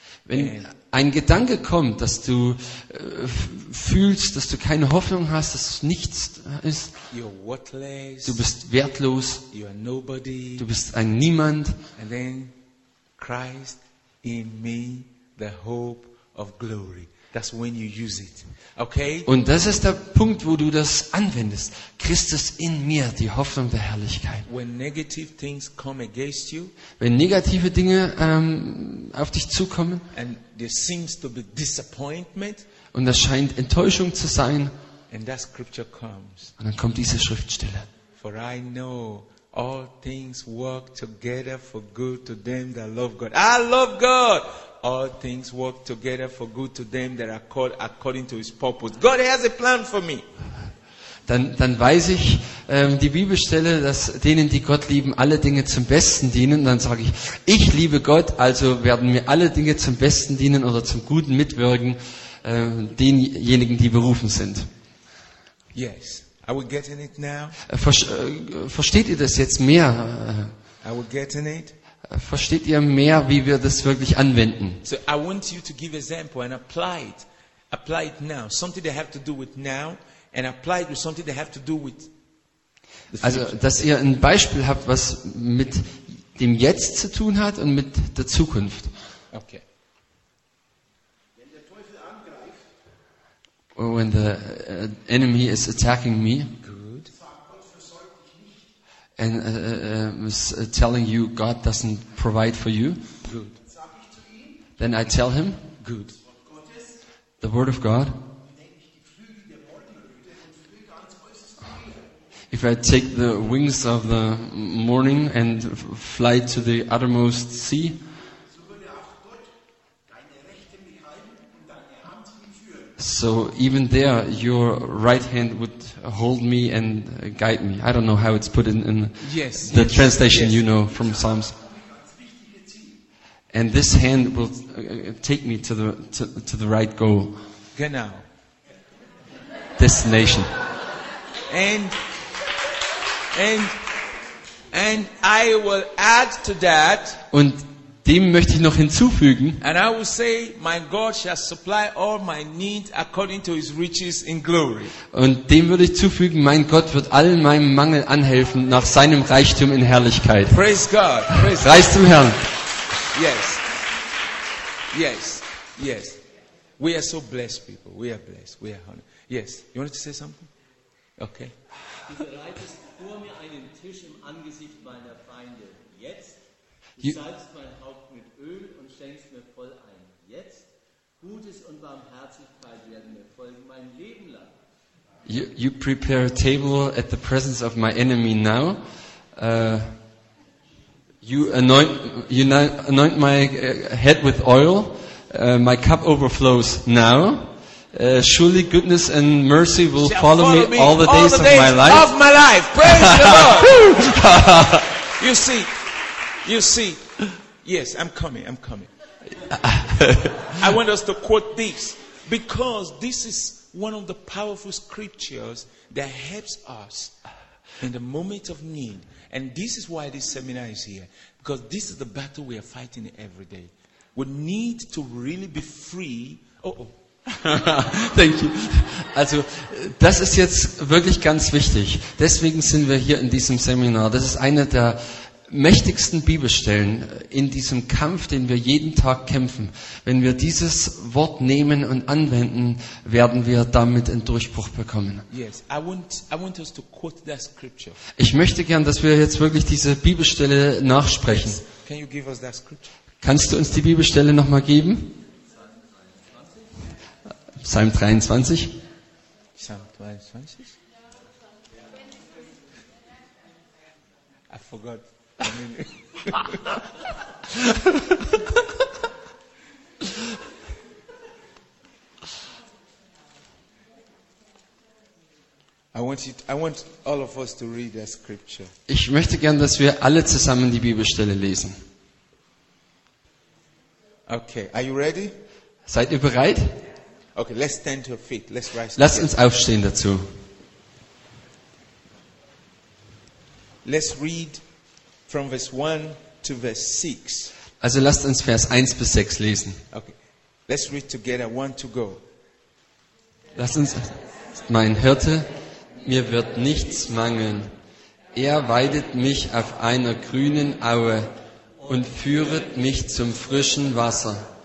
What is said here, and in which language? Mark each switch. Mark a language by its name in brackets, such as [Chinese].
[German] Wenn ein Gedanke kommt, dass du fühlst, dass du keine Hoffnung hast, dass nichts ist, [English] you're worthless, [German] du bist wertlos, [English] you're nobody, [German] du bist ein Niemand, [English] and then Christ in me, the hope of glory. That's when you use it. Okay? [German] Und das ist der Punkt, wo du das anwendest. Christus in mir, die Hoffnung der Herrlichkeit. [English] When negative things come against you, [German] wenn negative Dinge auf dich zukommen, [English] and there seems to be disappointment, [German] und das scheint Enttäuschung zu sein, [English] and that scripture comes. [German] Und dann kommt diese Schriftstelle. [English] For I know all things work together for good to them that love God. I love God! All things work together for good to them that are called according to His purpose. God has a plan for me. [German] Dann weiß ich die Bibelstelle, dass denen, die Gott lieben, alle Dinge zum Besten dienen. Dann sage ich, ich liebe Gott, also werden mir alle Dinge zum Besten dienen oder zum Guten mitwirken, denjenigen, die berufen sind. [English] Yes. Are we getting it now? [German] Versteht ihr das jetzt mehr? [English] Are we getting it? [German] Versteht ihr mehr, wie wir das wirklich anwenden? [English] So I want you to give example and apply it. Apply it now. Something they have to do with now and apply it with something they have to do with. [German] Also, dass ihr ein Beispiel habt, was mit dem Jetzt zu tun hat und mit der Zukunft. [English] Okay. [German] Wenn der Teufel angreift, [English] when the enemy is attacking me, and was telling you God doesn't provide for you. Good. Then I tell him. Good. The word of God. If I take the wings of the morning and fly to the uttermost sea. So even there, your right hand would hold me and guide me. I don't know how it's put in yes, the yes, translation yes. You know from Psalms. And this hand will take me to the right goal. [German] Genau. [English] Destination. And I will add to that. [German] Und dem möchte ich noch hinzufügen. [English] And I will say, my God shall supply all my need according to His riches in glory. [German] Und dem würde ich hinzufügen, mein Gott wird all meinem Mangel anhelfen nach seinem Reichtum in Herrlichkeit. [English] Praise God. Praise [German] Reich zum Herrn. [English] Yes. Yes. Yes. We are so blessed people. We are blessed. We are honored. Yes. You wanted to say something? Okay. [German] Du bereitest vor mir einen Tisch im Angesicht meiner Feinde. Jetzt. Du salbst mein Haupt mit Öl und schenkst mir voll ein. Jetzt, Gutes und Barmherzigkeit werden mir folgen mein Leben lang. [English] You prepare a table at the presence of my enemy now. You anoint my head with oil. My cup overflows now. Surely goodness and mercy will follow me all the days of my life. Praise the Lord. You see. Yes, I'm coming. I want us to quote this because this is one of the powerful scriptures that helps us in the moment of need. And this is why this seminar is here. Because this is the battle we are fighting every day. We need to really be free. Oh. Thank you. [German] Also, das ist jetzt wirklich ganz wichtig. Deswegen sind wir hier in diesem Seminar. Das ist eine der mächtigsten Bibelstellen in diesem Kampf, den wir jeden Tag kämpfen. Wenn wir dieses Wort nehmen und anwenden, werden wir damit einen Durchbruch bekommen. [English] Yes, I want us to quote that scripture. [German] Ich möchte gern, dass wir jetzt wirklich diese Bibelstelle nachsprechen. [English] Yes. Can you give us that scripture? [German] Kannst du uns die Bibelstelle nochmal geben? [English] Psalm 23. Psalm 23? I forgot. I want all of us to read that scripture. [German] Ich möchte gern, dass wir alle zusammen die Bibelstelle lesen. [English] Okay, are you ready? [German] Seid ihr bereit? [English] Okay, let's stand to our feet. Let's rise. [German] Lasst uns aufstehen dazu. [English] Let's read from verse 1 to verse 6. [German] Also lasst uns Vers 1 bis 6 lesen. [English] Okay. Let's read together. One to go. [German] Lasst uns. Mein Hirte, mir wird nichts mangeln. Er weidet mich auf einer grünen Aue und führet mich zum frischen Wasser.